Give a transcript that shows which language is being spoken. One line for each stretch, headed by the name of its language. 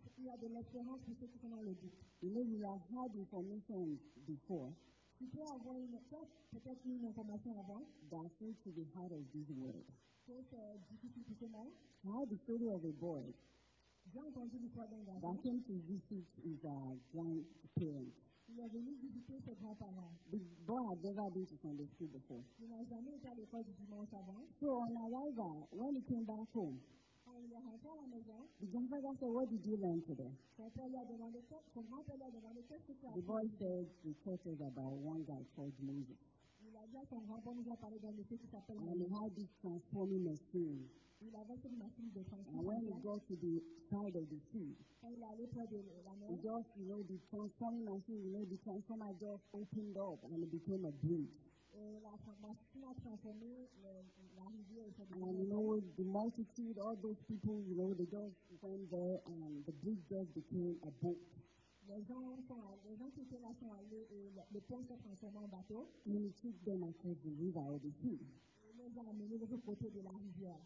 French: Il y a de l'espérance pour ceux qui sont dans le doute.
English: You know, we have had information before.
French: Tu peux avoir une espèce, peut-être une information avant.
English: That seems to be hard of this world.
French: C'est difficile pour ce monde.
English: I had the story of a boy.
French: J'ai entendu l'histoire d'un garçon.
English: That came to visit his grandparents.
French: Il est venu visiter ses grands-parents.
English: The boy had never been to Sunday school before.
French: Il n'a jamais été à l'école du dimanche avant.
English: So on arrival, when he came back home,
French: il est rentré à la maison.
English: The grandfather said, what did you learn today?
French: Son père lui a demandé, son grand-père lui a demandé, qu'est-ce que tu as
English: fait? The boy said, the church is about one guy called Moses.
French: Il a dit à son grand-père, nous a parlé d'un monsieur qui s'appelle
English: Moses. And he had this transforming machine.
French: Il avait une machine de transformation.
English: And when he got to the side of the sea,
French: il est allé près de la mer.
English: Just, you know, the transforming machine, you know, the transformer just opened up and it became a bridge.
French: La machine a transformé la rivière et
English: And you know, the multitude, all those people, you know, they just went there and the bridge just became a boat.
French: Les gens qui étaient là sont allés et le pont s'est transformé en bateau.
English: And he took them across the river or the sea.
French: Les gens ont amené l'autre côté de la rivière.